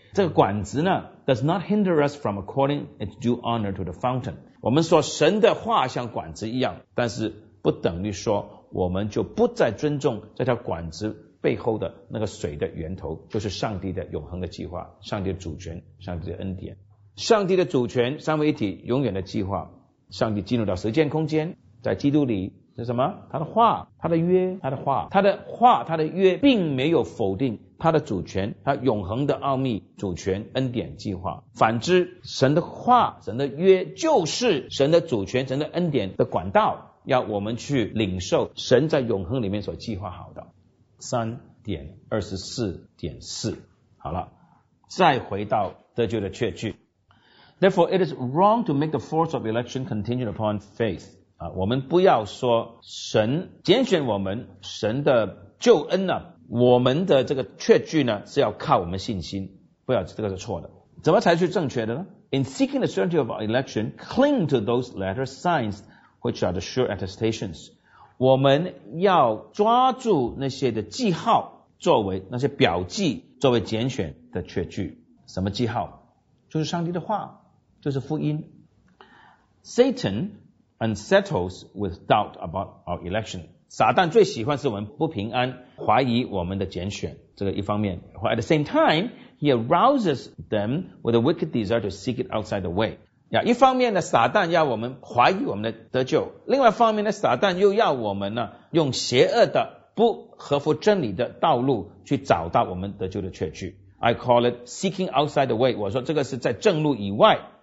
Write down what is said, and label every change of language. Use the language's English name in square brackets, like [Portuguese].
[Chinese] 这个管子呢 [English] does not hinder us from according its due honor to the fountain。 [Chinese] 我们说神的话像管子一样，但是不等于说我们就不再尊重这条管子背后的那个水的源头，就是上帝的永恒的计划，上帝的主权，上帝的恩典，上帝的主权，三位一体永远的计划。上帝进入到时间空间，在基督里是什么？他的话，他的约，他的话，他的话，他的约并没有否定他的主权，他永恒的奥秘，主权，恩典，计划。反之，神的话，神的约，就是神的主权，神的恩典的管道，要我们去领受神在永恒里面所计划好的。 3.24.4 好了，再回到得救的确据。 [English] Therefore it is wrong to make the force of election contingent upon faith。 [Chinese] 我们不要说神拣选我们，神的救恩呢，我们的这个确据呢是要靠我们信心，不要，这个是错的。怎么才是正确的呢？ [English] In seeking the certainty of our election, cling to those latter signs which are the sure attestations。 [Chinese] 我们要抓住那些的记号，作为那些表记，作为拣选的确据。什么记号？就是上帝的话，就是福音。 [English] Satan unsettles with doubt about our election。 [Chinese] 撒旦最喜欢是我们不平安，怀疑我们的拣选，这个一方面。 [English] At the same time, he arouses them with a wicked desire to seek it outside the way。 [Chinese] 一方面呢，撒旦要我们怀疑我们的得救，另外一方面呢，撒旦又要我们呢用邪恶的不合乎真理的道路去找到我们得救的确据。 [English] I call it seeking outside the way。 [Chinese] 我说这个是在正路以外。